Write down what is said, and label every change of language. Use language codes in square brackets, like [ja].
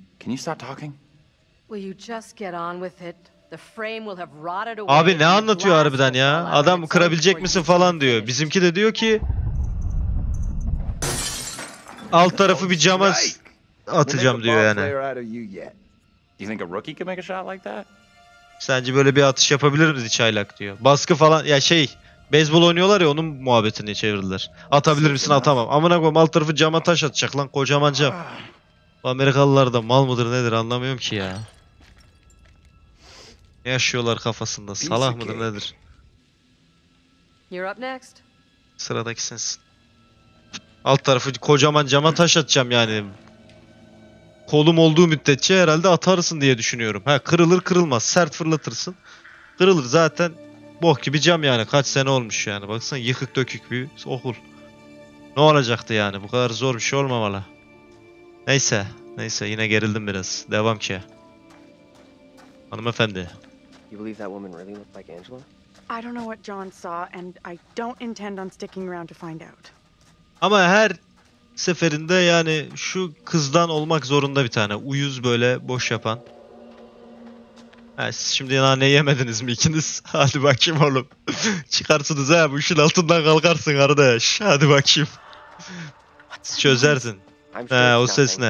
[en] Can you stop talking? Will you just get on with it? The frame will have rotted [tr] away. Abi ne anlatıyor harbiden ya? Adam kırabilecek misin falan diyor. Bizimki de diyor ki alt tarafı bir cama atacağım diyor yani. [en] You think a rookie can make a shot like that? [tr] Sence böyle bir atış yapabilir mi çaylak diyor. Baskı falan ya şey beyzbol oynuyorlar ya onun muhabbetini çevirdiler. Atabilir misin atamam. Amına koyayım alt tarafı cama taş atacak lan kocaman cam. Bu Amerikalılar da mal mıdır nedir anlamıyorum ki ya. Ne yaşıyorlar kafasında? Salah mıdır nedir? [en] You're up next. [tr] Sıradaki sensin. Alt tarafı kocaman cama taş atacağım yani. Kolum olduğu müddetçe herhalde atarsın diye düşünüyorum. Ha kırılır kırılmaz. Sert fırlatırsın. Kırılır zaten. Boh gibi cam yani. Kaç sene olmuş yani. Baksana yıkık dökük bir okul. Ne olacaktı yani? Bu kadar zor bir şey olmamalı. Neyse. Neyse yine gerildim biraz. Devam ki. Hanımefendi. [en] You believe that woman really looked like Angela? I don't know what John saw and I don't intend on sticking around to find out. [tr] Ama her seferinde yani şu kızdan olmak zorunda bir tane uyuz böyle boş yapan. Ha siz şimdi naneyi yemediniz mi ikiniz? Hadi bakayım oğlum. Çıkarsınız ha bu işin altından kalkarsın kardeş. Hadi bakayım. Çözersin. Sure ha o ses ne?